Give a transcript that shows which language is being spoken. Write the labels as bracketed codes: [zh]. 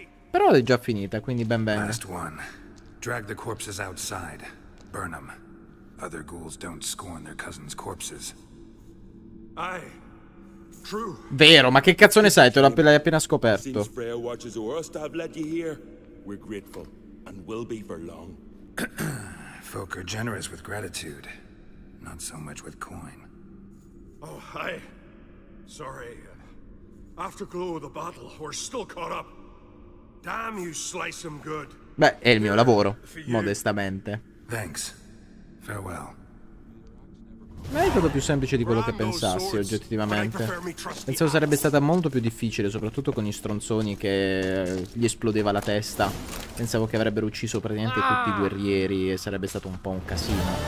[it] Però è già finita, quindi ben bene. [en] Drag the corpses outside. Burn them. Other ghouls don't scorn their cousin's corpses. Ai. True. [it] Vero, ma che cazzo ne sai? Te l'hai appena scoperto. [en] We're grateful and will be for long. Folk are generous with gratitude, not so much with coin. Oh, hi. Sorry. Afterglow of the battle, we're still caught up. Damn, you slice them good. [it] Beh, è il mio lavoro, modestamente. [en] Thanks. Farewell. [it] Ma è stato più semplice di quello che pensassi, oggettivamente. Pensavo sarebbe stata molto più difficile, soprattutto con gli stronzoni che gli esplodeva la testa. Pensavo che avrebbero ucciso praticamente tutti i guerrieri e sarebbe stato un po' un casino.